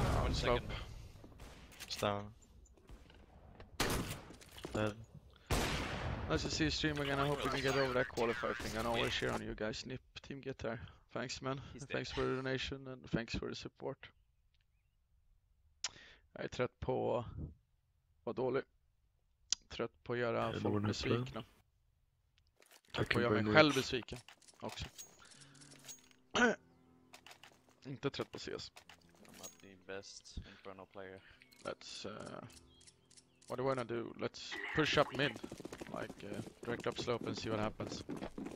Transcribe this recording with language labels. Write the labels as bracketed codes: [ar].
[en] One second. He's down. Dead. Nice to see you stream again. I hope you can get over that qualifier thing. I know we're cheering on you guys. Nip team get there. Thanks, man. Thanks for the donation and thanks for the support. [sv] Jag är trött på att vara dålig. Trött på att göra folk besvikna. Trött på att göra mig själv besviken också. Inte trött på CS. [en] I'm not the best internal player. Let's What do I wanna do? Let's push up mid. Like, direct up slope and see what happens. Okay.